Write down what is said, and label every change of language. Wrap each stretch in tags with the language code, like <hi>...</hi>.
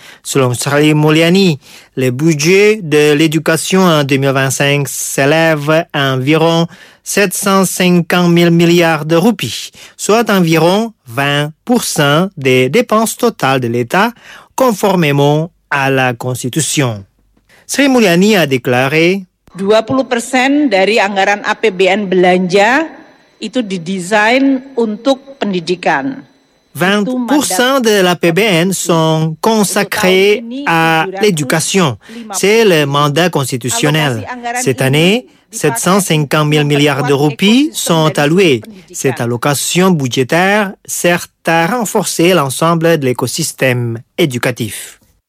<fr>Selon Sri Mulyani, le budget de l'éducation en 2025 s'élève à environ 750 000 milliards de roupies, soit environ 20% des dépenses totales de l'État, conformément à la Constitution. Sri Mulyani a déclaré:</fr> <id>20% dari anggaran APBN belanja itu didesain untuk pendidikan.</id> <fr>20% de l'APBN sont consacrés à l'éducation. C'est le mandat constitutionnel. Cette année, 750 000 milliards de roupies sont alloués. Cette allocation budgétaire sert à renforcer l'ensemble de l'écosystème éducatif.</fr>